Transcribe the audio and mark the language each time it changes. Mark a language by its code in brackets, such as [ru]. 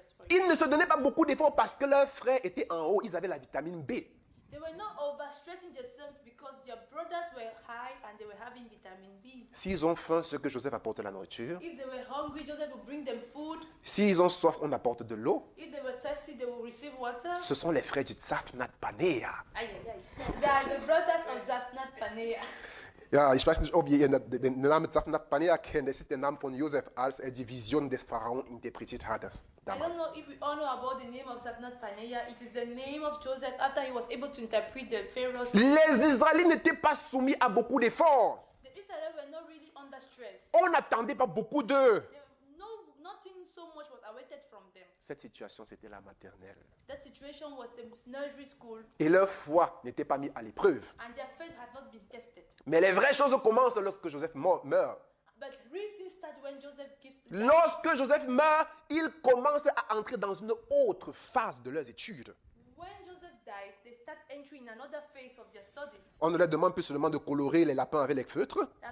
[fr] Ils ne se donnaient pas beaucoup d'efforts parce que leurs frères étaient en haut, ils avaient la vitamine B. [en] They were not overstressing themselves because their brothers were high and they were having vitamin B. [fr] S'ils ont faim, ce que Joseph apporte la nourriture. [en] If they were hungry, Joseph would bring them food. [fr] S'ils ont soif, on apporte de l'eau. [en] If they were thirsty, they would receive water. [fr] Ce sont les frères du Tzaphnath-Panéa. [en] They are the brothers of Tzaphnath-Panéa. [de] Ja, ich weiß nicht, ob ihr den Namen Tzaphnath-Panéa kennt. Das ist der Name von Josef, als er die Vision des Pharaons interpretiert hat. Damals. [en] I don't know if we all know about the name of Tzaphnath-Panéa. It is the name of Joseph after he was able to interpret the Pharaoh's. [fr] Les Israélites n'étaient pas soumis à beaucoup d'efforts. [en] The Israelites were not really under stress. [fr] On n'attendait pas beaucoup d'eux. [en] Nothing so much was awaited from them. [fr] Cette situation, c'était la maternelle. [en] That situation was the nursery school. [fr] Et leur foi n'était pas mise à l'épreuve. [en] And their faith had not been tested. [fr] Mais les vraies choses commencent lorsque Joseph meurt. [en] But really start when Joseph gives life. [fr] Lorsque Joseph meurt, ils commencent à entrer dans une autre phase de leurs études. [en] When Joseph dies, they start entering another phase of their studies. [fr] On ne leur demande plus seulement de colorer les lapins avec les feutres.